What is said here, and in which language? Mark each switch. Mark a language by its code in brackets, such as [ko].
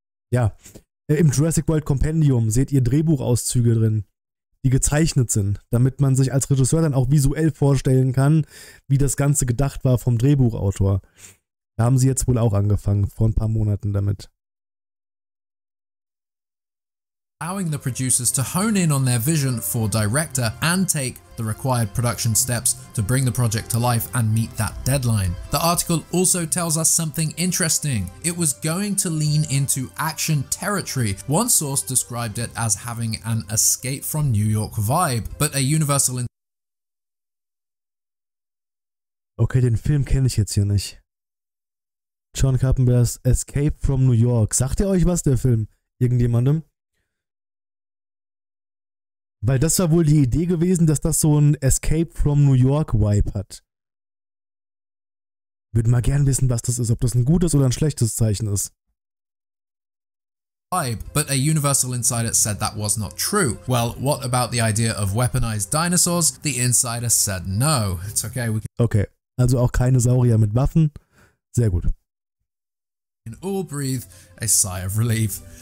[de] Im Jurassic World Compendium seht ihr Drehbuchauszüge drin, die gezeichnet sind, damit man sich als Regisseur dann auch visuell vorstellen kann, wie das Ganze gedacht war vom Drehbuchautor. Da haben sie jetzt wohl auch angefangen, vor ein paar Monaten damit. [en] Allowing the producers to hone in on their vision for director and take the required production steps to bring the project to life and meet that deadline. The article also tells us something interesting. It was going to lean into action territory. One source described it as having an Escape from New York vibe, but a Universal. [de] Okay, den Film kenne ich jetzt hier nicht. John Carpenter's Escape from New York. Sagt ihr euch was, der Film? Irgendjemandem? Weil das war wohl die Idee gewesen, dass das so ein Escape from New York Vibe hat. Würde mal gern wissen, was das ist, ob das ein gutes oder ein schlechtes Zeichen ist. [en] Vibe, but a Universal Insider said that was not true. Well, what about the idea of weaponized dinosaurs? The Insider said no. It's okay, we can. [de] Okay, also auch keine Saurier mit Waffen. Sehr gut. [en] In all breathe a sigh of relief.